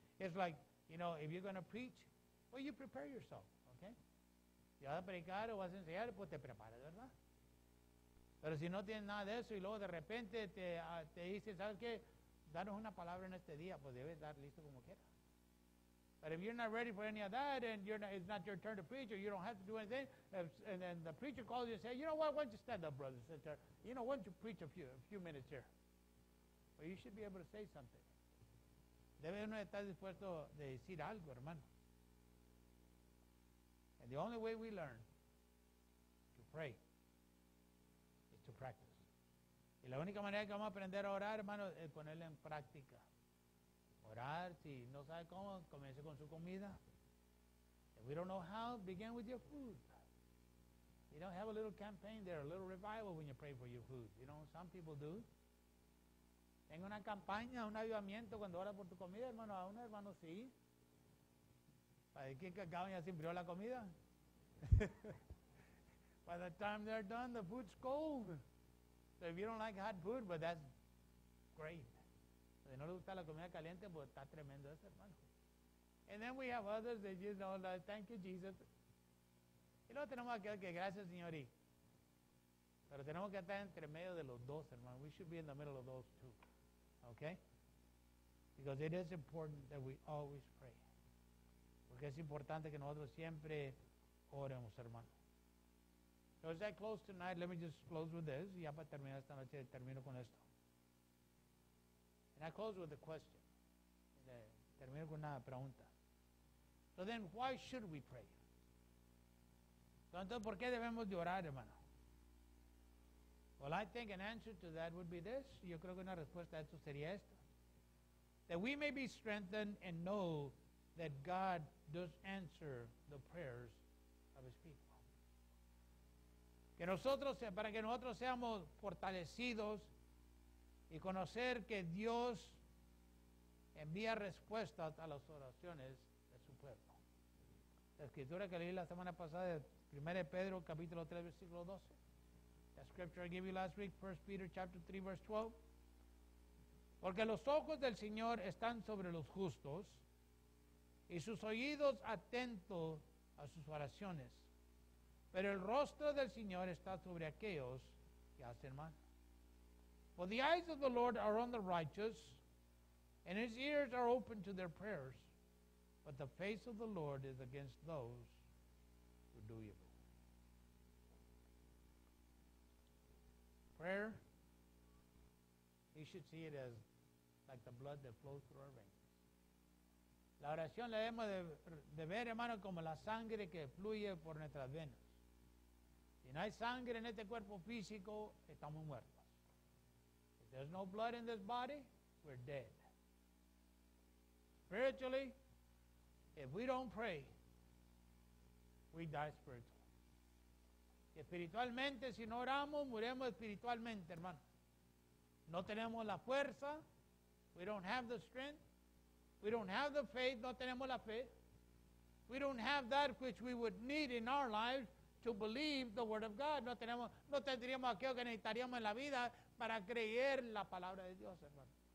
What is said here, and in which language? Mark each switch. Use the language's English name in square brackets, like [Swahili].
[English] It's like, you know, if you're going to preach, well, you prepare yourself, okay? [Spanish] Si vas a predicar o vas a enseñar, pues te preparas, ¿verdad? Pero si no tienes nada de eso y luego de repente te dicen, ¿sabes qué? Danos una palabra en este día, pues debes dar listo como quieras. [English] But if you're not ready for any of that and it's not your turn to preach or you don't have to do anything, and then the preacher calls you and says, you know what, why don't you stand up, brother, sister? You know, why don't you preach a few minutes here? Well, you should be able to say something. [Spanish] Debe uno estar dispuesto de decir algo, hermano. [English] And the only way we learn to pray is to practice. [Spanish] Y la única manera que vamos a aprender a orar, hermano, es ponerla en práctica. Orar, si no sabe cómo, comience con su comida. [English] If we don't know how, begin with your food. You don't have a little campaign there, a little revival when you pray for your food. You know, some people do. [Spanish] Tengo una campaña, un avivamiento cuando ora por tu comida, hermano. A uno, hermano, sí. ¿Para qué cacao ya se enfrió la comida? [English] By the time they're done, the food's cold. So if you don't like hot food, but that's great. [Spanish] Si no le gusta la comida caliente, pues está tremendo eso, hermano. [English] And then we have others that just know that, thank you, Jesus. [Spanish] Y luego tenemos aquel que, gracias, Señor. Pero tenemos que estar entre medio de los dos, hermano. [English] We should be in the middle of those two. Okay? Because it is important that we always pray. [Spanish] Porque es importante que nosotros siempre oremos, hermano. [English] So as I close tonight, let me just close with this. [Spanish] Ya para terminar esta noche, termino con esto. [English] And I close with a question. [Spanish] Termino con una pregunta. [English] So then, why should we pray? [Spanish] Entonces, ¿por qué debemos de orar, hermano? [English] Well, I think an answer to that would be this. [Spanish] Yo creo que una respuesta a esto sería esto. [English] That we may be strengthened and know that God does answer the prayers of his people. [Spanish] Para que nosotros seamos fortalecidos y conocer que Dios envía respuestas a las oraciones de su pueblo. La escritura que leí la semana pasada, 1 Pedro capítulo 3, versículo 12. [English] The scripture I gave you last week, 1 Peter chapter 3, verse 12. [Spanish] Porque los ojos del Señor están sobre los justos, y sus oídos atentos a sus oraciones. Pero el rostro del Señor está sobre aquellos que hacen mal. [English] For the eyes of the Lord are on the righteous, and his ears are open to their prayers, but the face of the Lord is against those who do evil. Prayer, you should see it as like the blood that flows through our veins. [Spanish] La oración la debemos de ver, hermano, como la sangre que fluye por nuestras venas. Si no hay sangre en este cuerpo físico, estamos muertos. [English] there's no blood in this body, we're dead. Spiritually, if we don't pray, we die spiritually. [Spanish] Espiritualmente, si no oramos, muremos espiritualmente, hermano. No tenemos la fuerza. [English] We don't have the strength. We don't have the faith. [Spanish] No tenemos la fe. [English] We don't have that which we would need in our lives to believe the word of God. [Spanish] No tenemos, no tendríamos aquello que necesitaríamos en la vida para creer la palabra de Dios, hermano.